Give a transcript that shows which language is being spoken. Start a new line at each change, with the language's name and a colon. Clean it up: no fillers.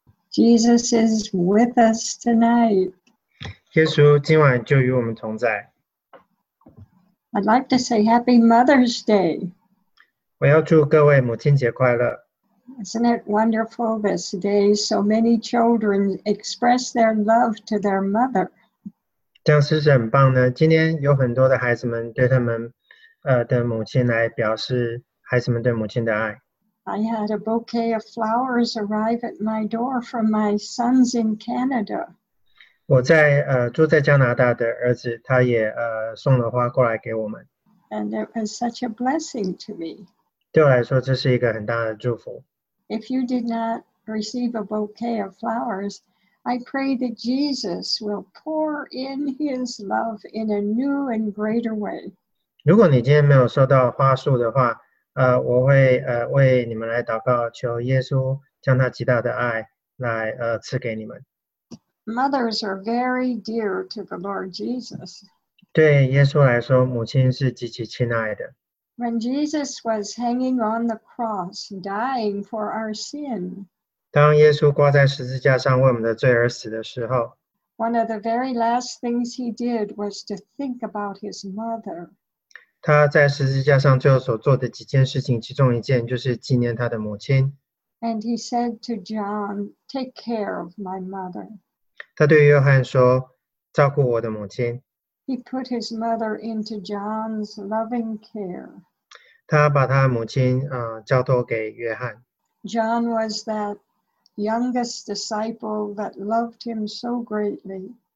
English: Jesus is with us tonight.
Chinese: 耶稣今晚就与我们同在。
English: I'd like to say Happy Mother's Day.
Chinese: 我要祝各位母亲节快乐。
English: Isn't it wonderful this day? So many children express their love to their mother.
Chinese: 这样是很棒的, 今天有很多的孩子们对他们, 的母亲来表示,
English: I had a bouquet of flowers arrive at my door from my sons in Canada.
Chinese: 我在, 住在加拿大的儿子, 他也, 送了花过来给我们。
English: And it was such a blessing to me.
Chinese: 对我来说这是一个很大的祝福。
English: If you did not receive a bouquet of flowers, I pray that Jesus will pour in his love in a new and greater way.
Chinese: 如果你今天没有收到花束的话, 我会为你们来祷告, 求耶稣将他极大的爱来, 赐给你们。
English: Mothers are very dear to the Lord Jesus.
Chinese: 对耶稣来说, 母亲是极其亲爱的。
English: When Jesus was hanging on the cross, dying for our sin,
Chinese: 当耶稣挂在十字架上为我们的罪而死的时候,
English: one of the very last things he did was to think about his mother.
Chinese: 他在十字架上最后所做的几件事情，其中一件就是纪念他的母亲。
English: And he said to John, "Take care of my mother."
Chinese: 他对约翰说，照顾我的母亲。
English: He put his mother into John's loving care.
Chinese: 他把他母亲, 交托给约翰。
English: John was that youngest disciple that loved him so greatly.